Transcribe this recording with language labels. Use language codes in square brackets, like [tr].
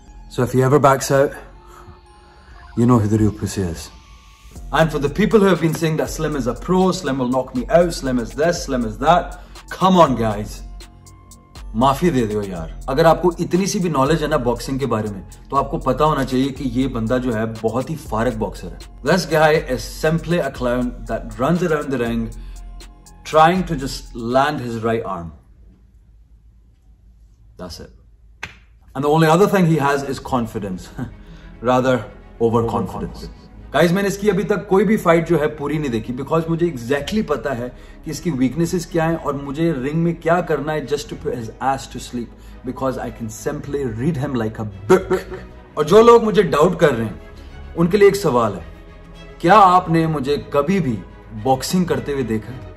[en] So if he ever backs out, you know who the real pussy is. And for the people who have been saying that Slim is a pro, Slim will knock me out, Slim is this, Slim is that, come on guys, [hi] माफी दे दो यार. अगर आपको इतनी सी भी knowledge है ना boxing के बारे में, तो आपको पता होना चाहिए कि ये बंदा जो है बहुत ही फारग बॉक्सर है. [en] This guy is simply a clown that runs around the ring trying to just land his right arm. That's it. And the only other thing he has is confidence. Rather, overconfidence. [hi] Guys, मैंने इसकी अभी तक कोई भी fight जो है पूरी नहीं देखी, because मुझे exactly पता है कि इसकी weaknesses क्या हैं और मुझे ring में क्या करना है [en] just to put his ass to sleep, because I can simply read him like a book. [hi] और जो लोग मुझे doubt कर रहे हैं, उनके लिए एक सवाल है, क्या आपने मुझे कभी भी boxing करते हुए देखा?